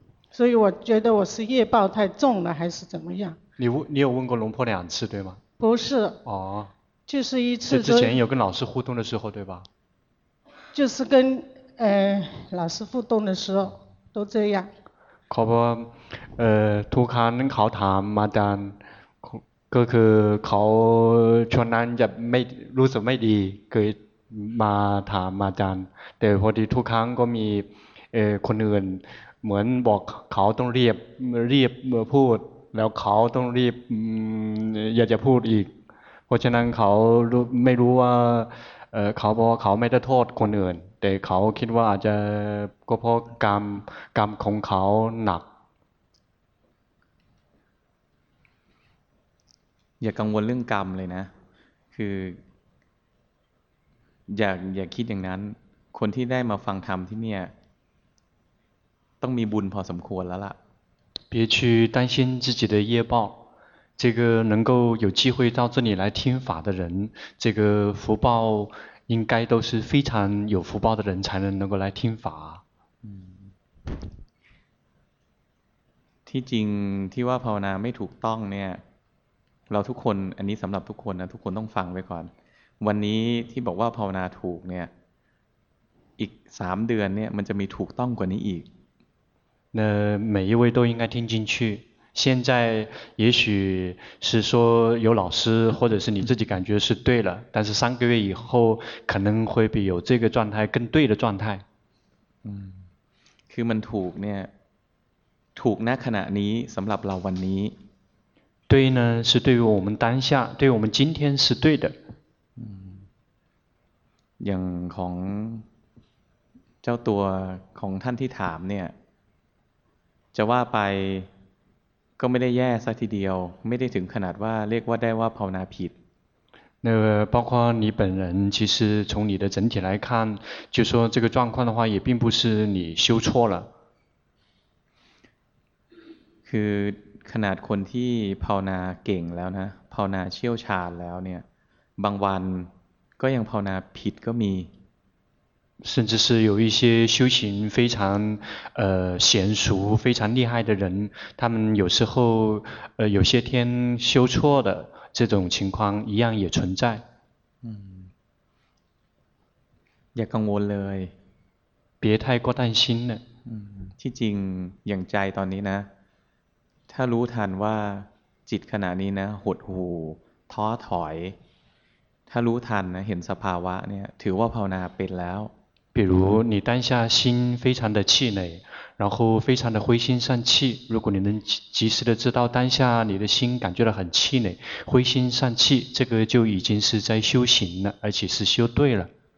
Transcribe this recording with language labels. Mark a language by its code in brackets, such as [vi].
[zh] 所以我觉得我是业报太重了，还是怎么样？你有问过龙婆两次对吗？不是。哦。就是一次之前有跟老师互动的时候对吧就是跟老师互动的时候都这样 [th] ขอบอกทุกครั้งเขาถามมาดานก็คือเขาช่วงนั้นจะไม่รู้สึกไม่ดีเคยมาถามมาดานแต่พอดีทุกครั้งก็มีคนอื่นเหมือนบอกเขาต้องเรียบมาพูดแล้วเขาต้องรีบ อยากจะพูดอีกเพราะฉะนั้นเขาไม่รู้ว่าเขาบอกว่าเขาไม่ได้โทษคนอื่นแต่เขาคิดว่าอาจจะก็เพราะกรรมของเขาหนัก อย่ากังวลเรื่องกรรมเลยนะคืออย่าคิดอย่างนั้นคนที่ได้มาฟังธรรมที่เนี่ย ต้องมีบุญพอสมควรแล้วล่ะ [zh] 别去担心自己的业报，这个能够有机会到这里来听法的人，这个福报应该都是非常有福报的人才能够来听法。 [th] ที่จริงที่ว่าภาวนาไม่ถูกต้องเนี่ยเราทุกคนอันนี้สำหรับทุกคนนะทุกคนต้องฟังไว้ก่อนวันนี้ที่บอกว่าภาวนาถูกเนี่ยอีก3เดือนเนี่ยมันจะมีถูกต้องกว่านี้อีก [zh] 那每一位都应该听进去现在也许是说有老师或者是你自己感觉是对了但是三个月以后可能会比有这个状态更对的状态 [th] คือมันถูกเนี่ยถูกณขณะนี้สำหรับเราวันนี้ [zh] 对呢是对于我们当下对于我们今天是对的 [th] อย่างของเจ้าตัวของท่านที่ถามเนี่ยจะว่าไปก็ไม่ได้แย่ซะทีเดียวไม่ได้ถึงขนาดว่าเรียกว่าได้ว่าภาวนาผิด [zh] 那包括你本人其实从你的整体来看就说这个状况的话也并不是你修错了 [th] คือขนาดคนที่ภาวนาเก่งแล้วนะภาวนาเชี่ยวชาญแล้วเนี่ยบางวันก็ยังภาวนาผิดก็มี [zh] 甚至是有一些修行非常娴熟非常厉害的人他们有时候有些天修错的这种情况一样也存在 [th] อย่ากังวลเลย [zh] 别太过担心了 [th] ที่จริงอย่างใจตอนนี้นะถ้ารู้ทันว่าจิตขณะนี้นะหดหู่ท้อถอยถ้ารู้ทันนะเห็นสภาวะเนี่ยถือว่าภาวนาเป็นแล้ว [zh] 比如你当下心非常的气馁然后非常的灰心丧气如果你能及时的知道当下你的心感觉到很气馁灰心丧气这个就已经是在修行了而且是修对了